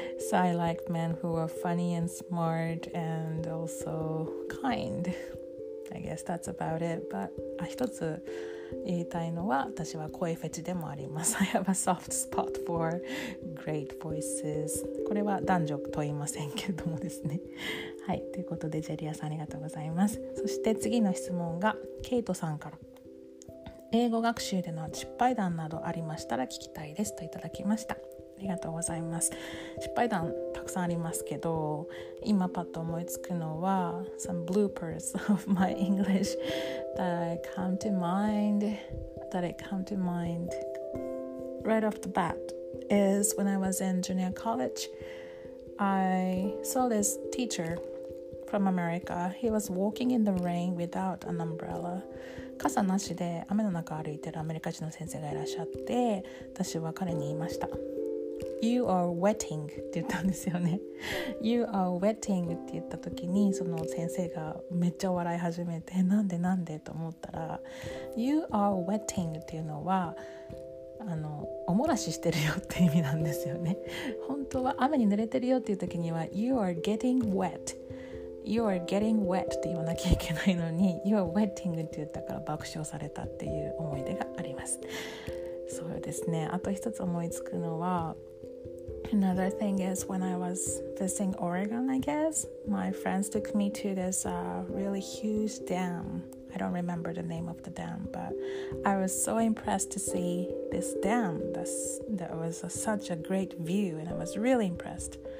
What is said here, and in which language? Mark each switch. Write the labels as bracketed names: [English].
[English] So I like men who are funny and smart and also kind. I guess that's about it. But [Japanese] 一つ言いたいのは、私は声フェチでもあります。 [English] I have a soft spot for great voices. [Japanese] これは男女問いませんけどもですね。はい、ということでジェリアさんありがとうございます。そして次の質問がケイトさんから。英語学習での失敗談などありましたら聞きたいですといただきました。ありがとうございます。失敗談たくさんありますけど、今パッと思いつくのは [English] some bloopers of my English that I come to mind right off the bat is when I was in junior college, I saw this teacher from America. He was walking in the rain without an umbrella. [Japanese] 傘なしで雨の中歩いてるアメリカ人の先生がいらっしゃって、私は彼に言いました。 [English] You are wetting [Japanese] って言ったんですよね。You are wetting って言った時に、その先生がめっちゃ笑い始めて、なんでなんでと思ったら、 You are wetting っていうのはお漏らししてるよって意味なんですよね。本当は雨に濡れてるよっていう時には [English] You are getting wetYou are getting wet [Japanese] って言わなきゃいけないのに、 [English] You are wetting [Japanese] って言ったから爆笑されたっていう思い出があります。そうですね。あと一つ思いつくのは、 [English] Another thing is when I was visiting Oregon, I guess my friends took me to this really huge dam. I don't remember the name of the dam, but I was so impressed to see this dam. That was such a great view, and I was really impressed.